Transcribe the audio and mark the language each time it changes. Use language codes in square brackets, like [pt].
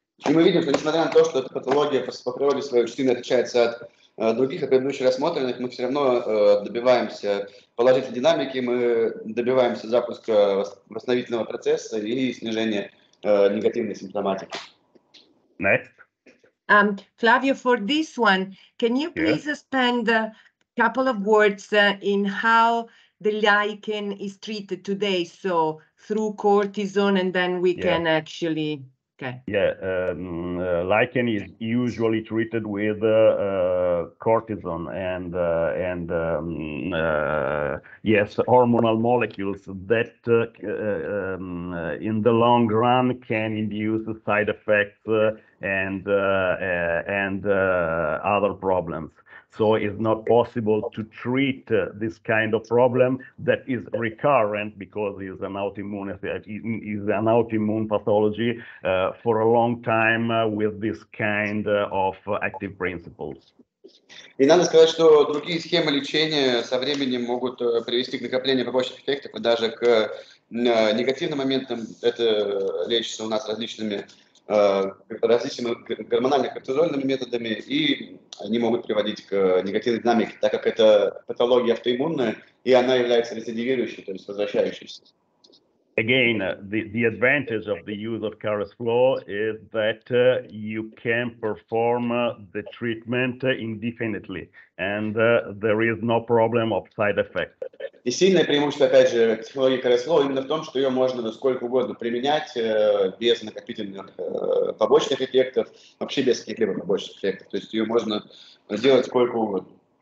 [ru] И мы видим, что несмотря на то, что эта патология по природе своей очень сильно отличается от других и предыдущих рассмотренных, мы все равно добиваемся положительной динамики, мы добиваемся запуска восстановительного процесса и снижения негативной симптоматики. [en] Next. Flavio, for this one, can you please spend a couple of words in how the lichen is treated today? So through cortisone, and then we can actually Okay. Yeah, lichen is usually treated with cortisone and hormonal molecules that in the long run can induce side effects and other problems. So it's not possible to treat this kind of problem that is recurrent because it's an autoimmune pathology for a long time with this kind of active principles. [ru] И надо сказать, что другие схемы лечения со временем могут привести к накоплению побочных эффектов и даже к негативным моментам. Это лечится у нас различными гормональными кортизольными методами, и они могут приводить к негативной динамике, так как это патология автоиммунная, и она является рецидивирующей, то есть возвращающейся. [en] Again, the advantage of the use of CARESFLOW is that you can perform the treatment indefinitely, and there is no problem of side effects. [ru] И сильное преимущество, опять же, технологии CARESFLOW именно в том, что ее можно сколько угодно применять без накопительных побочных эффектов, вообще без каких-либо побочных эффектов. То есть ее можно делать сколько угодно.